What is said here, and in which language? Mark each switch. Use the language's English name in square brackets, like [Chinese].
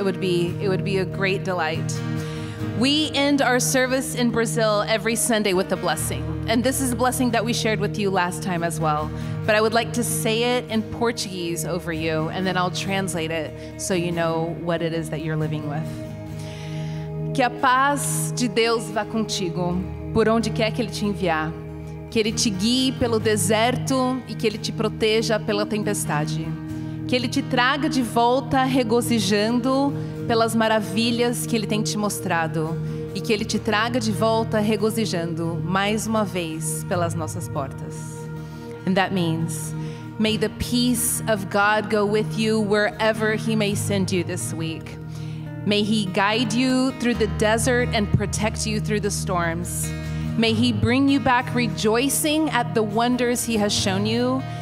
[English] It would be a great delight. We end our service in Brazil every Sunday with a blessing. And this is a blessing that we shared with you last time as well. But I would like to say it in Portuguese over you, and then I'll translate it so you know what it is that you're living with. [Portuguese] Que a paz de Deus vá contigo, por onde quer que ele te enviar. Que ele te guie pelo deserto e que ele te proteja pela tempestade. Que ele te traga de volta regozijando pelas maravilhas que ele tem te mostrado. E que ele te traga de volta regozijando mais uma vez pelas nossas portas. [English] And that means, may the peace of God go with you wherever he may send you this week. May he guide you through the desert and protect you through the storms. May he bring you back rejoicing at the wonders he has shown you.